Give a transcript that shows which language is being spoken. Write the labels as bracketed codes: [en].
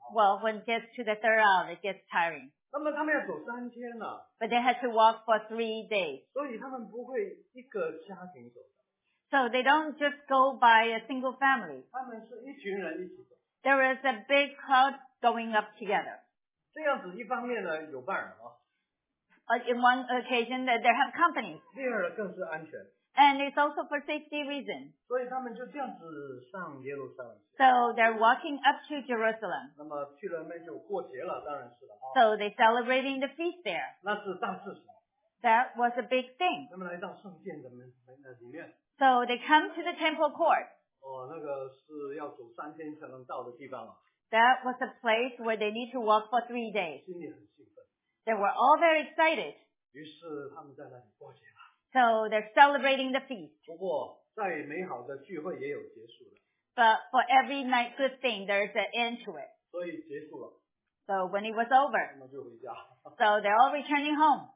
[en] Well, when it gets to the third hour, it gets tiring. [zh] 那么他们要走三天呢。 [en] But they had to walk for 3 days. [zh] 所以他们不会一个家庭走。 [en] So they don't just go by a single family. [zh] 他们是一群人一起走。 [en] There is a big crowd going up together. [zh] 这样子一方面呢有伴儿啊。 [en] In one occasion, they have companies. [zh] 第二个更是安全。 [en] And it's also for safety reasons. [zh] 所以他们就这样子上耶路撒冷。 [en] So they're walking up to Jerusalem. [zh] 那么去了那就过节了，当然是了。 [en] So they're celebrating the feast there. [zh] 那是大事。 [en] That was a big thing. [zh] 那么来到圣殿的门里面。 [en] So they come to the temple court. [zh] 哦，那个是要走三天才能到的地方啊。 [en] That was a place where they need to walk for 3 days. They were all very excited. [zh] 于是他们在那里过节了。 [en] So they're celebrating the feast. [zh] 不过，再美好的聚会也有结束了。 [en] But for every nice good thing, there's an end to it. [zh] 所以结束了。 [en] So when it was over. [zh] 那么就回家。 [en] So they're all returning home.